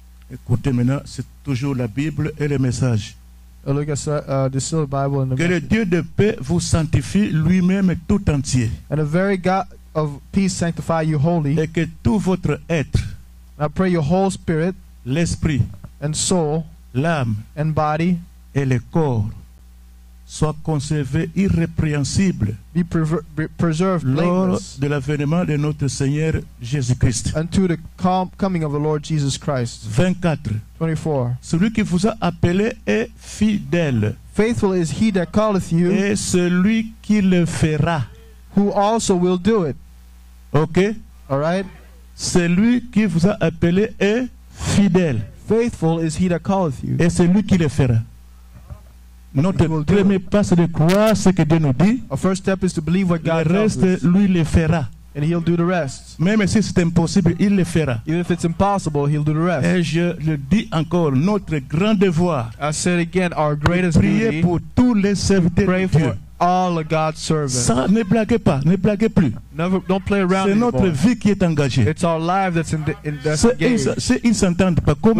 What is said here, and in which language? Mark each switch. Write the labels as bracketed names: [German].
[French] Écoutez maintenant, c'est toujours la Bible et le message. [English] look at the sealed Bible in the [French] que le Dieu de paix vous sanctifie lui-même tout entier. [English] And the very God of peace sanctify you wholly. [French] Et que tout votre être, [English] I pray your whole spirit, [French] l'esprit, [English] and soul, [French] l'âme, [English] and body, [French] et le corps, soit conservé irrépréhensible [English] be preserved [French] lors de l'avènement de notre Seigneur Jésus-Christ. [English] Unto the coming of the Lord Jesus Christ. 24. 24. [French] Celui qui vous a appelé est fidèle. [English] Faithful is he that calleth you. [French] Et celui qui le fera. [English] Who also will do it. OK. All right. [French] Celui qui vous a appelé est fidèle. [English] Faithful is he that calleth you. [French] Et celui qui le fera. Notre premier pas, c'est de croire ce que Dieu nous dit. [English] Our first step is to believe what God tells us. [French] Le reste, lui le fera. [English] And he'll do the rest. [French] Même si c'est impossible, il le fera. [English] Even if it's impossible, he'll do the rest. [French] Et je le dis encore, notre grand devoir. [English] I said again, our greatest [French] duty. Prier pour tous les serviteurs de Dieu. [English] Pray for all of God's servants. [French] Ça, ne blaguez pas, ne blaguez plus. [English] Never, don't play around. [French] C'est notre vie qui est engagée. [English] It's our life that's engaged. [French] Si ils s'entendent pas, comment?